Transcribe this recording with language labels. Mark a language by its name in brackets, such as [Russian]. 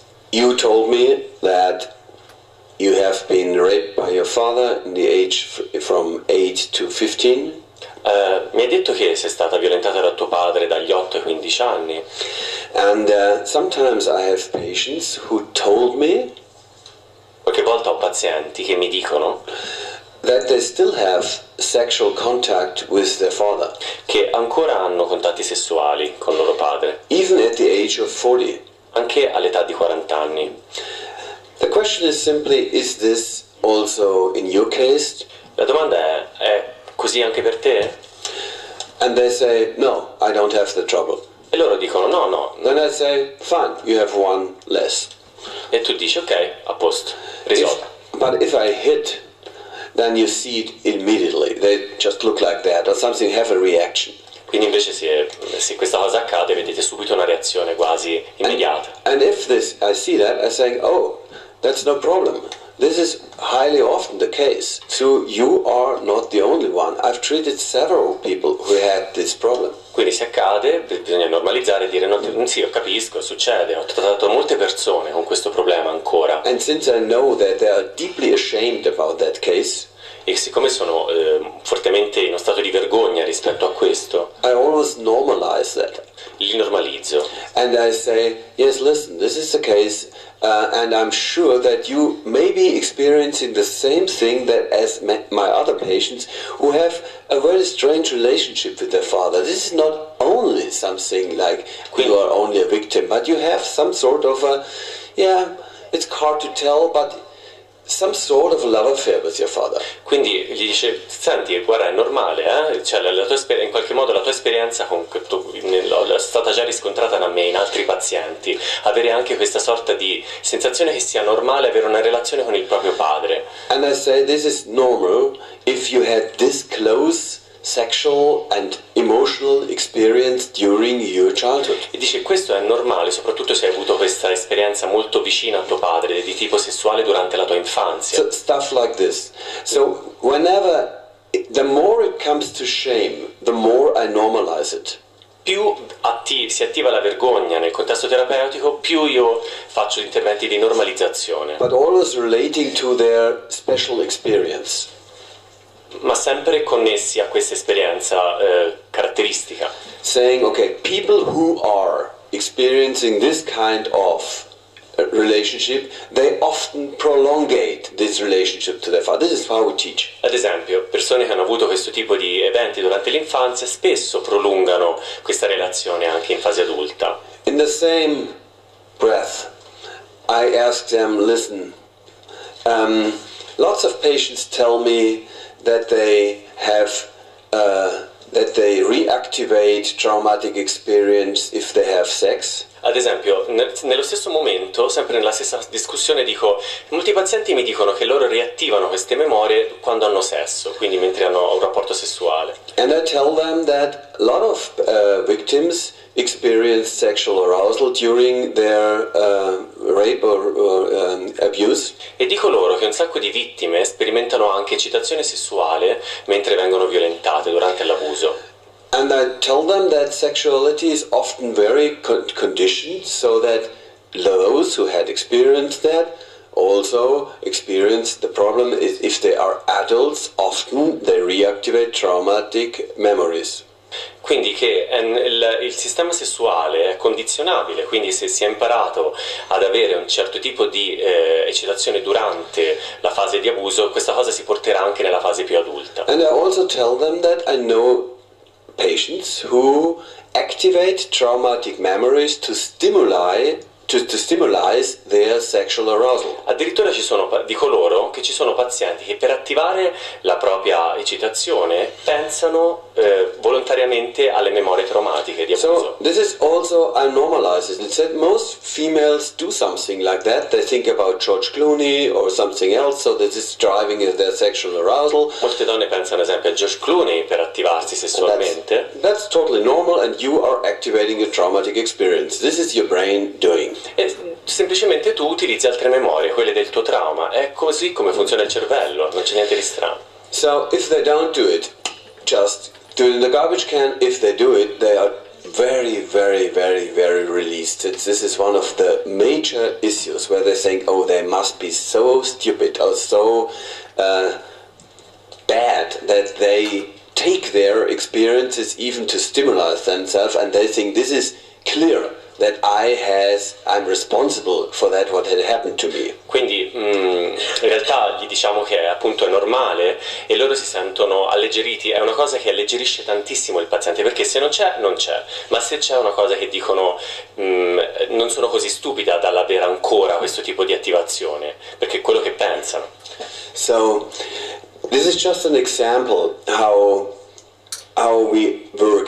[English] You told me that you have been raped by your father in the age from 8 to 15. [Italian] Mi hai detto che sei stata violentata da tuo padre dagli 8 ai 15 anni. [English] And sometimes I have patients who told me [Italian] Qualche volta ho pazienti che mi dicono [English] that they still have sexual contact with their father, [Italian] che ancora hanno contatti sessuali con loro padre, [English] even at the age of 40. [Italian] anche all'età di 40 anni. [English] The question is simply, is this also in your case? [Italian] La domanda è così anche per te? [English] And they say, no, I don't have the trouble. [Italian] E loro dicono no, [English] Then no. I say, fine, you have one less. [Italian] E tu dici ok, a posto, risolto. [English] But if I hit, then you see it immediately. They just look like that, or something have a reaction. [Italian] Quindi invece se questa cosa accade vedete subito una reazione quasi immediata. [English] And if this, I see that, I say, oh, that's no problem. This is highly often the case. So you are not the only one. I've treated several people who had this problem. [Italian] Quindi se accade bisogna normalizzare e dire no, sì, io capisco, succede, ho trattato molte persone con questo problema ancora. E [English] And since I know that they are deeply ashamed about that case, [Italian] siccome sono fortemente in uno stato di vergogna rispetto a questo, [English] I always normalize that. [Italian] li normalizzo. [English] And I say, yes, listen, this is the case, and I'm sure that you may be experiencing the same thing that as my other patients who have a very strange relationship with their father. This is not only something like you [Italian] Quindi, [English] are only a victim, but you have some sort of a, yeah, it's hard to tell, but some sort of a love affair with your father. [Italian] gli dice: senti, guarda, è normale, eh? Cioè, in qualche modo la tua esperienza è stata già riscontrata da me in altri pazienti. Avere anche questa sorta di sensazione che sia normale avere una relazione con il proprio padre. [English] And I say this is normal if you had this close sexual and emotional experience during your childhood. [Italian] E dice: questo è normale, soprattutto se hai avuto questa esperienza molto vicina a tuo padre, di tipo sessuale durante la tua infanzia. [English] So, stuff like this. So, whenever, the more it comes to shame, the more I normalize it. [Italian] Più atti si attiva la vergogna nel contesto terapeutico, più io faccio interventi di [English] But [Italian] normalizzazione. [English] always relating to their special experience. [Italian] Ma sempre connessi a questa esperienza caratteristica. [English] Saying, okay, people who are experiencing this kind of relationship, they often prolongate this relationship to their father. This is how we teach. [Italian] Ad esempio, persone che hanno avuto questo tipo di eventi durante l'infanzia spesso prolungano questa relazione anche in fase adulta. [English] In the same breath, I ask them, listen, lots of patients tell me that they have that they reactivate traumatic experience if they have sex. [Italian] Ad esempio, nello stesso momento, sempre nella stessa discussione, dico: molti pazienti mi dicono che loro riattivano queste memorie quando hanno sesso, quindi mentre hanno un rapporto sessuale. [English] And I tell them that a lot of victims experience sexual arousal during their rape or abuse. [Italian] E dico loro che un sacco di vittime sperimentano anche eccitazione sessuale mentre vengono violentate durante l'abuso. [English] And I tell them that sexuality is often very conditioned so that those who had experienced that also experience the problem is if they are adults, often they reactivate traumatic memories. [Italian] Quindi che il sistema sessuale è condizionabile, quindi se si è imparato ad avere un certo tipo di eccitazione durante la fase di abuso, questa cosa si porterà anche nella fase più adulta. [English] And I also tell them that I know patients who activate traumatic memories to stimulate to stimulate their sexual arousal. [Italian] Addirittura ci sono di coloro che ci sono pazienti che per attivare la propria eccitazione pensano volontariamente alle memorie traumatiche di abuso. [English] So this is also a normalized. It's that most females do something like that. They think about George Clooney or something else, so this is driving their sexual arousal. [Italian] Molte donne pensano ad esempio a George Clooney per attivarsi sessualmente. [English] That's totally normal, and you are activating a traumatic experience. This is your brain doing. [Italian] E semplicemente tu utilizzi altre memorie, quelle del tuo trauma. È così come funziona il cervello, non c'è niente di strano. [English] So if they don't do it, just do it in the garbage can. If they do it, they are very, very, very, very released. This is one of the major issues where they think, oh, they must be so stupid or so bad that they take their experiences even to stimulate themselves, and they think this is clear that I'm responsible for that what had happened to me. [Italian] Quindi in realtà gli diciamo che appunto è normale e loro si sentono alleggeriti. È una cosa che alleggerisce tantissimo il paziente, perché se non c'è, non c'è. Ma se c'è, una cosa che dicono, non sono così stupida dall'avere ancora questo tipo di attivazione, perché è quello che pensano. [English] So this is just an example how we work.